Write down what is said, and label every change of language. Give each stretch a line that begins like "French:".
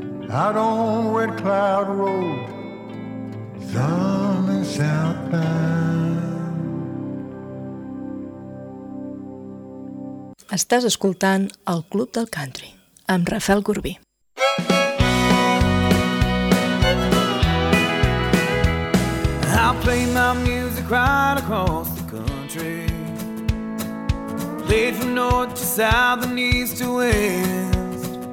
English: out on Red Cloud Road, thumbing southbound.
Catalan: Estàs escoltant el Club del Country amb Rafael Corbí.
English: I'll play my music right across the country, played from north to south and east to west.